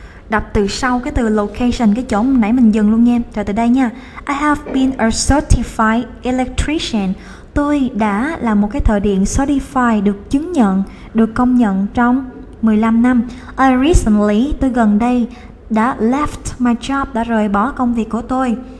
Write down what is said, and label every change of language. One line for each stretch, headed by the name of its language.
Vietnamese: Đọc từ sau cái từ location, cái chỗ nãy mình dừng luôn nha. Rồi từ đây nha.
English: I have been a certified electrician.
Vietnamese: Tôi đã là một cái thợ điện certified, được chứng nhận, được công nhận trong 15 năm.
English: I recently,
Vietnamese: tôi gần đây đã
English: left my job,
Vietnamese: đã rời bỏ công việc của tôi.